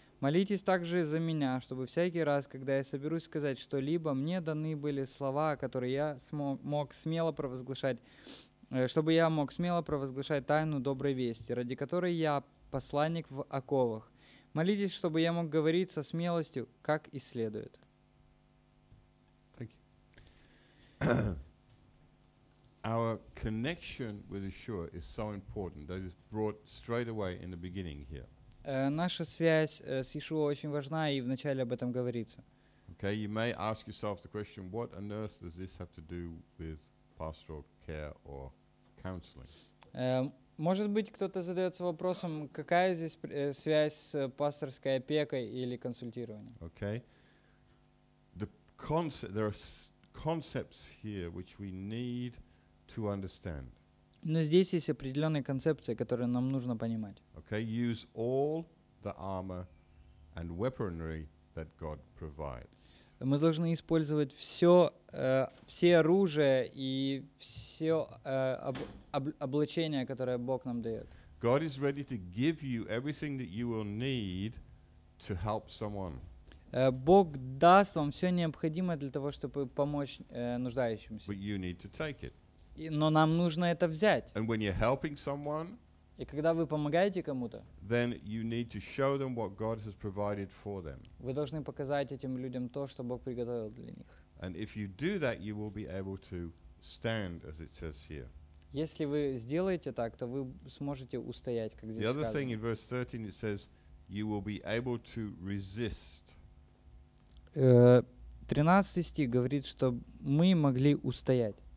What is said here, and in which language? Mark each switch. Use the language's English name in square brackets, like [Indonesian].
[Russian] Молитесь также за меня, чтобы всякий раз, когда я соберусь сказать что-либо, мне даны были слова, которые я мог смело провозглашать, чтобы я мог смело провозглашать тайну доброй вести, ради которой я посланник в оковах. Молитесь, чтобы я мог говорить со смелостью, как и следует. [English] Thank you. Our connection with Yeshua is so important that is brought straight away in the beginning here. [Russian] Наша связь с Иешуа очень важна, и вначале об этом говорится. [English] Okay, you may ask yourself the question, what on earth does this have to do with pastoral care or counseling? [Russian] Может быть, кто-то задается вопросом, какая здесь связь с пасторской опекой или консультированием? [English] Okay. There are concepts here which we need to understand. [Russian] Но здесь есть определенные концепции, которые нам нужно понимать. [English] Okay, use all the armor and weaponry that God provides. [Russian] Мы должны использовать все оружие и все облачение, которое Бог нам дает. [English] God is ready to give you everything that you will need to help someone. [Russian] Бог даст вам все необходимое для того, чтобы помочь нуждающимся. [English] But you need to take it. [Russian] Но нам нужно это взять. [English] And when you're helping someone, [Russian] и когда вы помогаете кому-то, [English] then you need to show them what God has provided for them. [Russian] Вы должны показать этим людям то, что Бог приготовил для них. [English] And if you do that, you will be able to stand, as it says here. [Russian] Если вы сделаете так, то вы сможете устоять, как здесь сказано. [English] The other thing in verse 13 it says, you will be able to resist. [Russian] 13 стих говорит, что мы могли устоять.